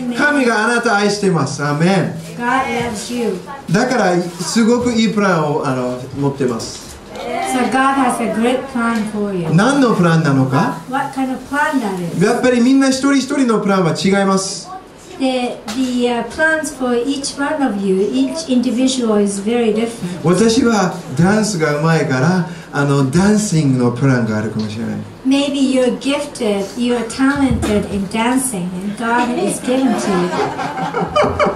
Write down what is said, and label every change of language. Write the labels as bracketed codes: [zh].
[ja] 神があなたを愛しています. [en] Amen. God loves you. [ja] だからすごくいいプランを持ってます. [en] So God has a great plan for you. [ja] 何のプランなのか? [en] What kind of plan that is? [ja] やっぱりみんな一人一人のプランは違います. [en] The plans for each one of you, each individual is very different. [ja] 私はダンスがうまいから、ダンシングのプランがあるかもしれない。 [en] Maybe you're gifted, you're talented in dancing, and God is given to you.